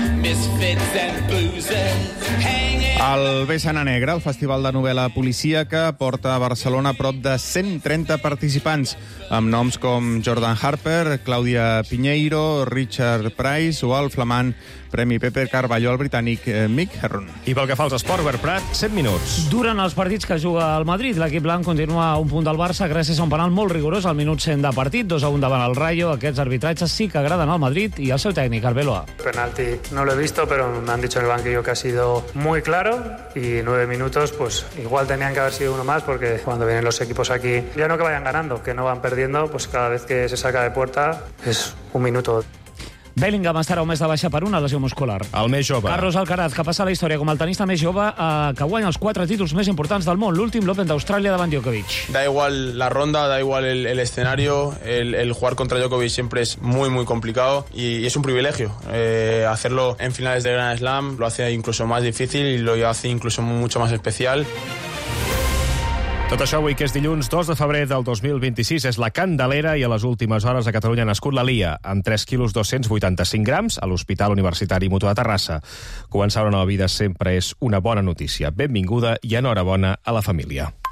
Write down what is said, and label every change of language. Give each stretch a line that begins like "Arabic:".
Catalan: El Bessana Negra, el festival de novel·la policíaca, porta a Barcelona prop de 130 participants, amb noms com Jordan Harper, Clàudia Piñeiro, Richard Price o el flamant Premi Pepe Carballo al britànic Mick Herron. I pel que fa als esports, Bert Prat, 7 minuts. Durant els partits que juga el Madrid, l'equip blanc continua un punt del Barça gràcies a un penal molt rigorós al minut 100 de partit, 2-1 davant el Rayo. Aquests arbitratges sí que agraden al Madrid i al seu tècnic, el Beloa.
Spanish: Penalti no lo he visto, pero me han dicho en el banquillo que ha sido muy claro y 9 minutos, pues igual tenían que haber sido uno más, porque cuando vienen los equipos aquí, ya no que vayan ganando, que no van perdiendo, pues cada vez que se saca de puerta es un minuto.
Catalan: Bellingham estarà un mes de baixa per una lesió muscular. El més jove. Carlos Alcaraz, que passa a la història com el tenista més jove que guanya els quatre títols més importants del món, l'últim l'Open d'Austràlia davant Djokovic.
Spanish: Da igual la ronda, da igual el escenario, el jugar contra Djokovic
Catalan: sempre és
Spanish: muy, muy complicado y es un privilegio. Hacerlo en finales de Grand Slam lo hace incluso más difícil y lo hace incluso mucho más especial.
Catalan: Tot això avui, que és dilluns 2 de febrer del 2026, és la Candelera i a les últimes hores a Catalunya ha nascut la Lia, amb 3 quilos 285 grams, a l'Hospital Universitari Mutu de Terrassa. Començar una nova vida sempre és una bona notícia. Benvinguda i enhorabona a la família.